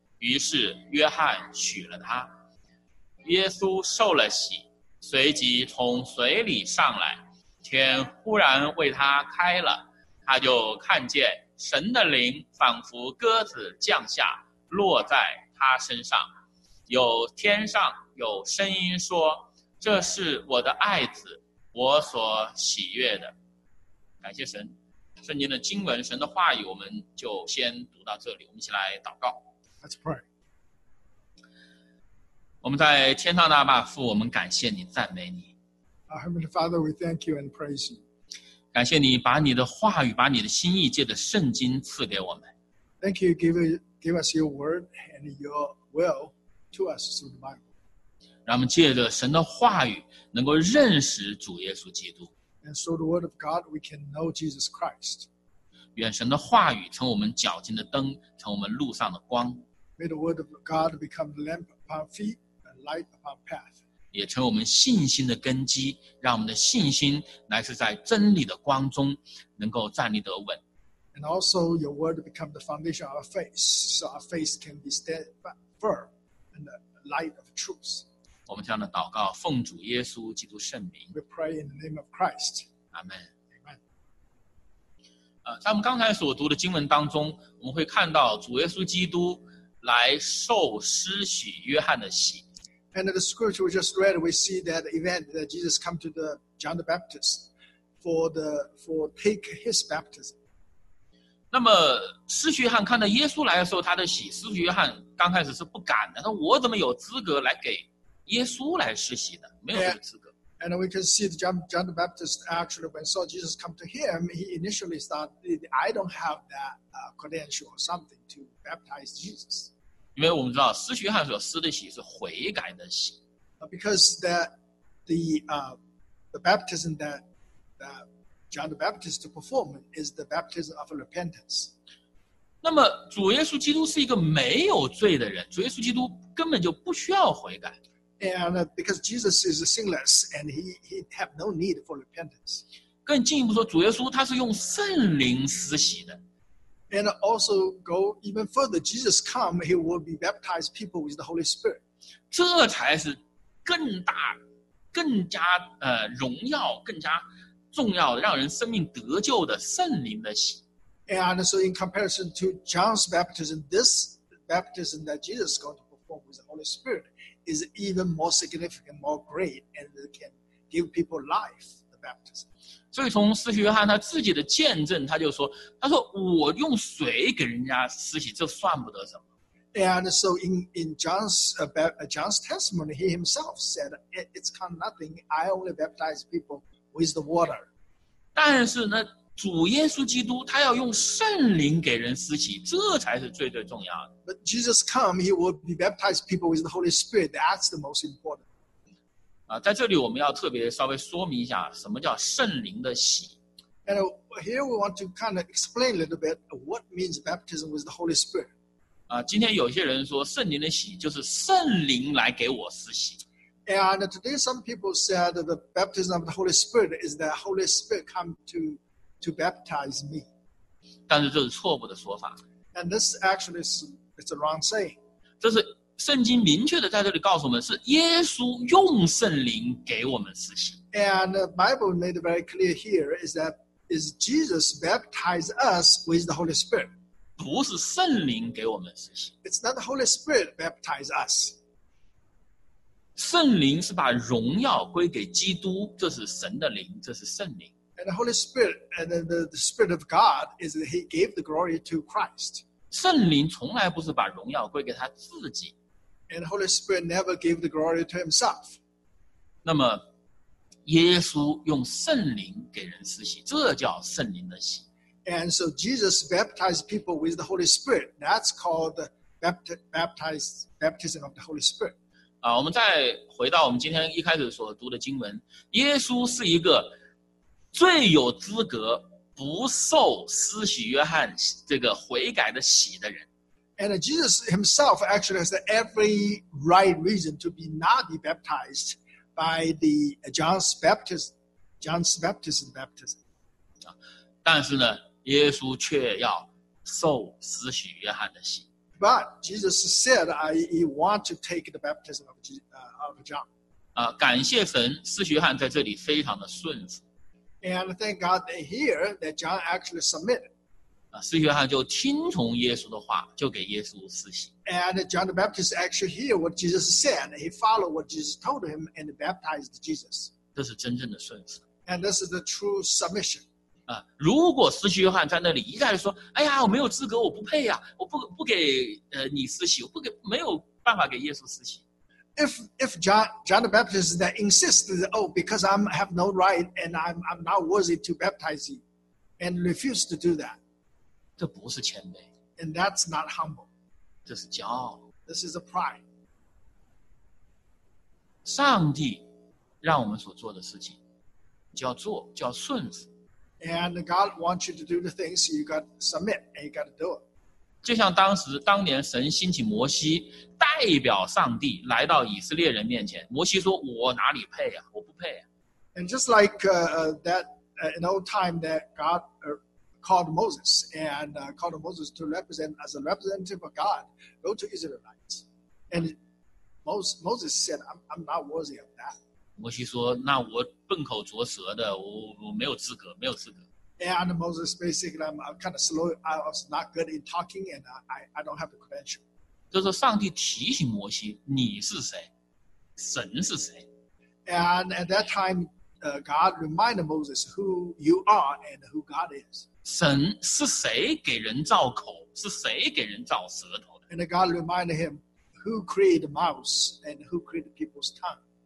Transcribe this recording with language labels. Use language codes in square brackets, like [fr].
[zh] 于是约翰许了他，耶稣受了洗，随即从水里上来，天忽然为他开了，他就看见神的灵仿佛鸽子降下落在他身上，有天上有声音说，这是我的爱子，我所喜悦的。感谢神，圣经的经文，神的话语，我们就先读到这里，我们一起来祷告。 [en] Let's pray。 [zh] 我们在天上的阿爸父，我们感谢你，赞美你。 [en] Our Heavenly Father, we thank you and praise you. [zh] 感谢你把你的话语，把你的心意借着圣经赐给我们。 [en] Thank you, give us your word and your will to us through the Bible. [zh] 让我们借着神的话语，能够认识主耶稣基督。 [en] And through the word of God, we can know Jesus Christ. [zh] 愿神的话语成我们脚前的灯，成我们路上的光。 [en] May the word of God become the lamp upon feet and light upon path. [zh] 也成我们信心的根基，让我们的信心乃是在真理的光中能够站立得稳。 [en] And also your word become the foundation of our faith, so our faith can be stand firm in the light of truth. [zh] 我们这样的祷告，奉主耶稣基督圣名。 [en] We pray in the name of Christ. Amen. Amen. [zh] 在我们刚才所读的经文当中，我们会看到主耶稣基督来受施洗约翰的洗。 [en] And the scripture we just read, we see that event that Jesus come to the John the Baptist for take his baptism. [zh] 那么施洗约翰看到耶稣来受他的洗，施洗约翰刚开始是不敢的，那我怎么有资格来给耶稣来施洗的？没有这个资格。 [en] And we can see that John the Baptist actually when saw Jesus come to him, he initially thought, I don't have that credential or something to baptize Jesus. [zh] 因为我们知道施洗约翰所施的洗是悔改的洗。 [en] Because that the baptism that John the Baptist performed is the baptism of repentance. [zh] 那么主耶稣基督是一个没有罪的人，主耶稣基督根本就不需要悔改。 [en] And because Jesus is sinless, and he have no need for repentance. [zh] 更进一步说，主耶稣他是用圣灵施洗的。 [en] And also go even further, Jesus come, he will be baptized people with the Holy Spirit. [zh] 这才是更大、更加荣耀、更加重要的，让人生命得救的圣灵的洗。 [en] And so, in comparison to John's baptism, this baptism that Jesus is going to perform with the Holy Spirit. Is even more significant, more great, and can give people life, the baptism. [zh] 所以从司徒约翰他自己的见证，他就说，他说我用水给人家施洗，这算不得什么。 [en] And so in John's, John's testimony, he himself said, it's kind of nothing. I only baptize people with the water. [zh] 但是呢，主耶稣基督他要用圣灵给人施洗，这才是最最重要的。 [en] But Jesus come, he will be baptized people with the Holy Spirit. That's the most important. [zh] 在这里我们要特别稍微说明一下什么叫圣灵的洗。 [en] And here we want to kind of explain a little bit what means baptism with the Holy Spirit. [zh] 今天有些人说圣灵的洗就是圣灵来给我施洗。 [en] And today some people said the baptism of the Holy Spirit is that Holy Spirit come to baptize me. [zh] 但是这是错误的说法。 [en] And this actually is a wrong saying. [zh] 这是圣经明确的在这里告诉我们，是耶稣用圣灵给我们施洗。 [en] And the Bible made very clear here is that is Jesus baptized us with the Holy Spirit. [zh] 不是圣灵给我们施洗。 [en] It's not the Holy Spirit baptize us. [zh] 圣灵是把荣耀归给基督，这是神的灵，这是圣灵。 [en] And the Holy Spirit, and the Spirit of God is that He gave the glory to Christ. [zh] 圣灵从来不是把荣耀归给他自己。 [en] And the Holy Spirit never gave the glory to Himself. [zh] 那么，耶稣用圣灵给人施洗，这叫圣灵的洗。 [en] And so Jesus baptized people with the Holy Spirit. That's called the baptism of the Holy Spirit. [zh] 我们再回到我们今天一开始所读的经文，耶稣是一个最有资格不受施洗约翰这个悔改的洗的人。 [en] And Jesus himself actually has every right reason to be not be baptized by the John's baptism. [zh] 但是呢。耶稣却要受施洗约翰的洗。 [en] But Jesus said, "I want to take the baptism of John." [zh] 感谢神，施洗约翰在这里非常的顺服。 [en] And thank God that here that John actually submitted. [zh] 施洗约翰就听从耶稣的话，就给耶稣施洗。 [en] And John the Baptist actually hear what Jesus said. He followed what Jesus told him and baptized Jesus. [zh] 这是真正的顺服。 [en] And this is the true submission. [zh] 如果施洗约翰在那里一再说，哎呀，我没有资格，我不配呀、啊，我不给你施洗，我不给，没有办法给耶稣施洗。 [en] If John the Baptist that insisted, oh, because I have no right and I'm not worthy to baptize you, and refused to do that, [zh] 这不是谦卑。 [en] And that's not humble. [zh] 这是骄傲。 [en] This is a pride. [zh] 上帝让我们所做的事情，就要做，就要顺服。 [en] And God wants you to do the things so you got to submit and you got to do it. [zh] 就像当年神兴起摩西代表上帝来到以色列人面前，摩西说我哪里配啊，我不配啊。 [en] And just like in old time that God called Moses and called Moses to represent as a representative of God, go to Israelites. And Moses said, I'm not worthy of that. [zh] 摩西说：“那我笨口拙舌的，我没有资格，没有资格。” [en] And Moses basically, I'm kind of slow. I was not good in talking, and I don't have the credential. [zh] 就是上帝提醒摩西：“你是谁？神是谁？” [en] And at that time, God reminded Moses who you are and who God is. [zh] 神是谁给人造口？是谁给人造舌头的 [en] ？And God reminded him who created mouths and who created people's tongue.